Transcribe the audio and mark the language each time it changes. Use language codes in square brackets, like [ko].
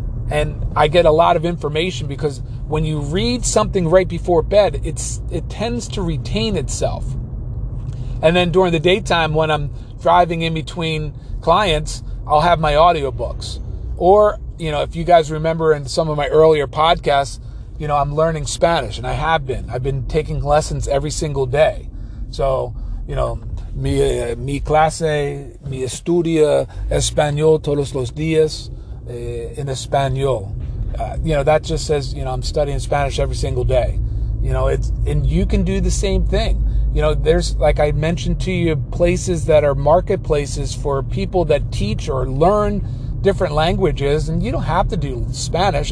[en] And I get a lot of information because when you read something right before bed, it tends to retain itself. And then during the daytime when I'm driving in between clients, I'll have my audiobooks. Or, you know, if you guys remember in some of my earlier podcasts, you know, I'm learning Spanish, and I have been. I've been taking lessons every single day. So, you know, [es] mi clase, mi estudia español todos los días en español. [en] You know, that just says, you know, I'm studying Spanish every single day. You know, it's, and you can do the same thing. You know, there's, like I mentioned to you, places that are marketplaces for people that teach or learn different languages, and you don't have to do Spanish.